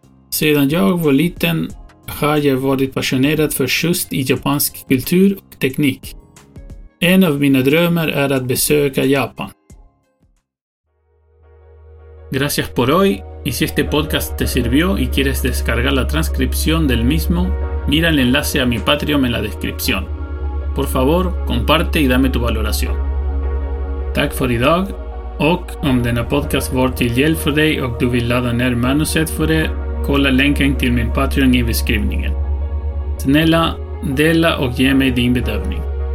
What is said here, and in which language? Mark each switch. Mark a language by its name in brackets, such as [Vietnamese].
[Swedish] Sedan jag var liten har jag varit passionerad för just i japansk kultur och teknik. En av mina drömmar är att besöka Japan. [Spanish] Gracias por hoy, y si este podcast te sirvió y quieres descargar la transcripción del mismo, mira el enlace a mi Patreon en la descripción. Por favor, comparte y dame tu valoración. [Swedish] Tack för idag, och om denna podcast var till hjälp för dig och du vill ladda ner manuset för det, kolla länken till min Patreon i beskrivningen. Snälla, dela och ge mig din bedömning.